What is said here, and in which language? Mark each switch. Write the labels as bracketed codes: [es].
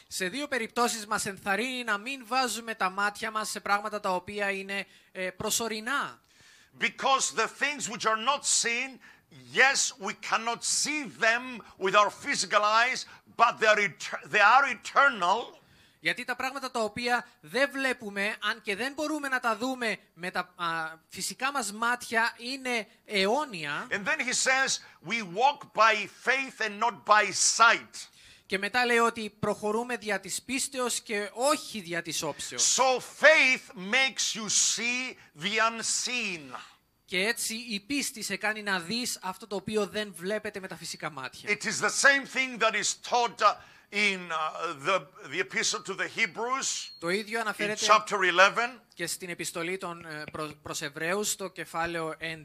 [el] Σε δύο περιπτώσεις μας ενθαρρύνει να μην βάζουμε τα μάτια μας σε πράγματα τα οποία είναι προσωρινά. [en] Because the things which are not seen, yes, we cannot see them with our physical eyes, but they are eternal. [el] Γιατί τα πράγματα τα οποία δεν βλέπουμε, αν και δεν μπορούμε να τα δούμε με τα φυσικά μας μάτια, είναι αιώνια. [en] And then he says, we walk by faith and not by sight. [el] Και μετά λέει ότι προχωρούμε δια της πίστεως και όχι δια της όψεως. [en] So faith makes you see the unseen. [el] Και έτσι η πίστη σε κάνει να δεις αυτό το οποίο δεν βλέπετε με τα φυσικά μάτια. [en] It is the same thing that is taught in the epistle to the Hebrews. [el] Το ίδιο αναφέρεται [en] chapter 11. [el] Και στην επιστολή των προς Εβραίους στο κεφάλαιο 11.